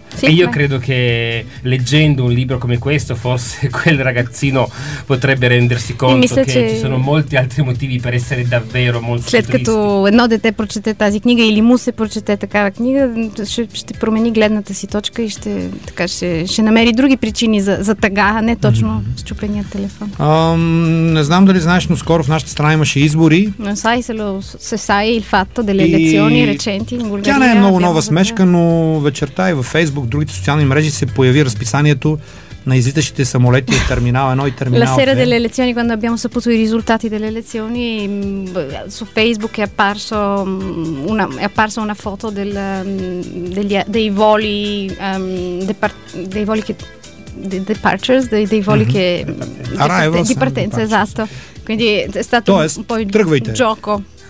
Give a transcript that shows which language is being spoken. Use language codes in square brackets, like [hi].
[it] E io credo che leggendo un libro come questo forse quel ragazzino potrebbe rendersi conto che ci sono molti altri motivi per essere davvero molto tristi. [bg] След като едно дете прочете тази книга или му се прочете такава книга, ще промени гледната си точка и ще намери други причини за тъга, а не точно счупения телефон. Не знам дали знаеш, но скоро в нашата страна имаше избори. [it] Sai il fatto delle elezioni recenti in Bulgaria. [bg] Тя не е много нова смешка, но вечерта и във Facebook, в другите социални мрежи се появи разписанието на излитащите самолети от терминал 1 и терминал 2. [it] La sera delle elezioni, quando abbiamo saputo i risultati delle elezioni, su Facebook è apparsa una foto dei voli di partenza, esatto. Quindi è stato un po' il gioco.